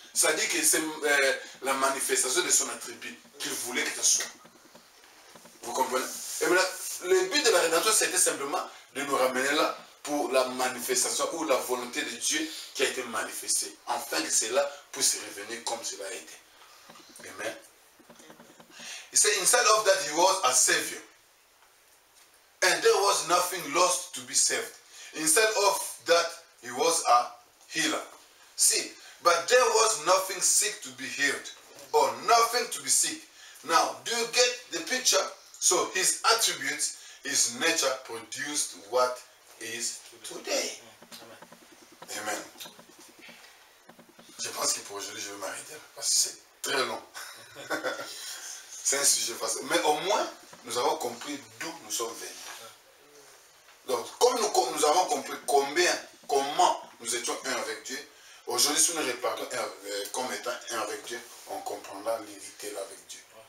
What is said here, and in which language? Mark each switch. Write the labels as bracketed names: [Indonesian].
[French] C'est-à-dire que c'est la manifestation de son attribut qu'il voulait que ce soit. Vous comprenez? Et maintenant, le but de la rédemption, c'était simplement de nous ramener là pour la manifestation ou la volonté de Dieu qui a été manifestée. Enfin, que cela puisse revenir comme cela a été. Amen. Il dit, [English] instead of that, he was a savior. And there was nothing lost to be saved. Instead of that, he was a healer. See, but there was nothing sick to be healed or nothing to be sick. Now, do you get the picture? So his attributes, his nature produced what is today. Amen. Amen. [French] Je pense que pour aujourd'hui, je vais m'arrêter là, parce que c'est très long. C'est un sujet facile. Mais au moins, nous avons compris d'où nous sommes venus. Donc, comme nous avons compris comment nous étions un avec Dieu, aujourd'hui, si nous repartons comme étant un avec Dieu, on comprendra l'unité avec Dieu.